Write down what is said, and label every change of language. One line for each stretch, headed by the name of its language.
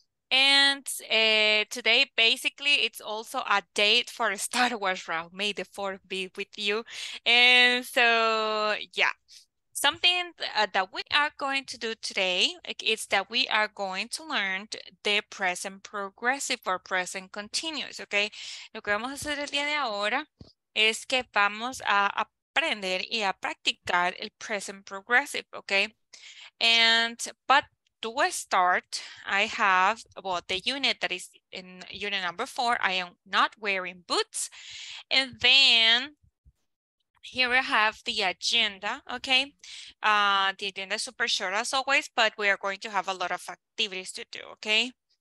English: And today, basically, it's also a date for a Star Wars round. May the 4th be with you. And so, yeah, something that we are going to do today is that we are going to learn the present progressive or present continuous, okay?
Spanish: Lo que vamos a hacer el día de ahora es que vamos a aprender y a practicar el present progressive, okay?
English: But to start, the unit that is in unit number 4, I am not wearing boots. And then here we have the agenda, okay? The agenda is super short as always, but we are going to have a lot of activities to do, okay?